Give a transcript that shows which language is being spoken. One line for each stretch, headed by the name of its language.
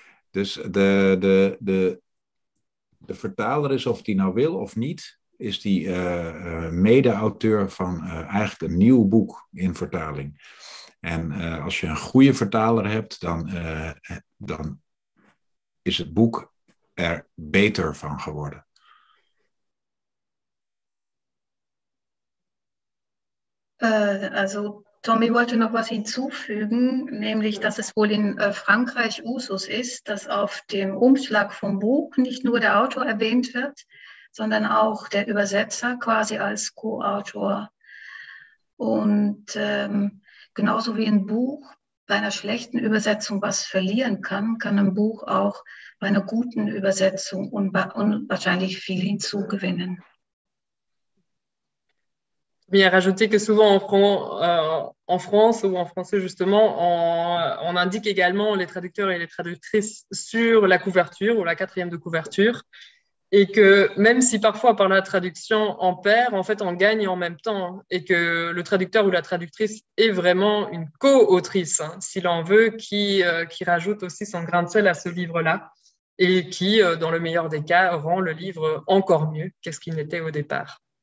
Dutch: Dus de vertaler is, of die nou wil of niet, is die mede-auteur van eigenlijk een nieuw boek in vertaling. En als je een goede vertaler hebt, dan is het boek er beter van geworden.
German: Also Tommy wollte noch was hinzufügen, nämlich, dass es wohl in Frankreich Usus ist, dass auf dem Umschlag vom Buch nicht nur der Autor erwähnt wird, sondern auch der Übersetzer quasi als Co-Autor. Und genauso wie ein Buch bei einer schlechten Übersetzung was verlieren kann, kann ein Buch auch bei einer guten Übersetzung unwahrscheinlich viel hinzugewinnen.
French: Il a rajouté que souvent en France ou en français justement, on indique également les traducteurs et les traductrices sur la couverture ou la quatrième de couverture, et que même si parfois par la traduction on perd, en fait on gagne en même temps, et que le traducteur ou la traductrice est vraiment une co-autrice, hein, s'il en veut, qui rajoute aussi son grain de sel à ce livre-là, et qui, dans le meilleur des cas, rend le livre encore mieux qu'est-ce qu'il n'était au départ.